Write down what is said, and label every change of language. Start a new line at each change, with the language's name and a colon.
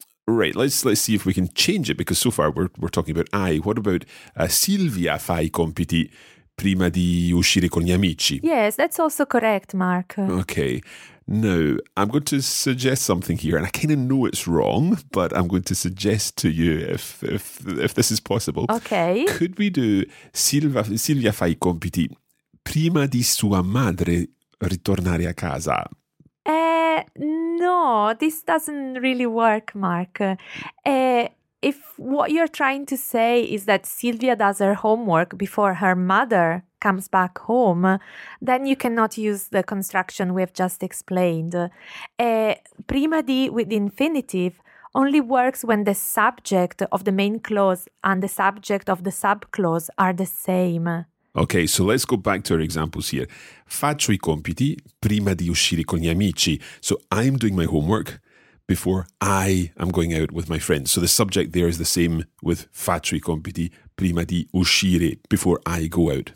English: Right, let's see if we can change it, because so far we're talking about I. What about
Italian: Silvia fa I compiti prima di uscire con gli amici?
English: Yes, that's also correct, Mark. Okay. Now, I'm going to suggest something here, and I kind of know it's wrong, but I'm going to suggest to you if this is possible. Okay. Could we do
Italian: Silvia fa I compiti prima di sua madre ritornare a casa?
English: No, this doesn't really work, Mark. If what you're trying to say is that Silvia does her homework before her mother comes back home, then you cannot use the construction we've just explained. Prima di with infinitive only works when the subject of the main clause and the subject of the subclause are the same. Okay, so let's go back to our examples here.
Italian: Faccio I compiti prima di uscire con gli amici.
English: So I'm doing my homework before I am going out with my friends. So the subject there is the same with
Italian: faccio I compiti prima di uscire,
English: before I go out.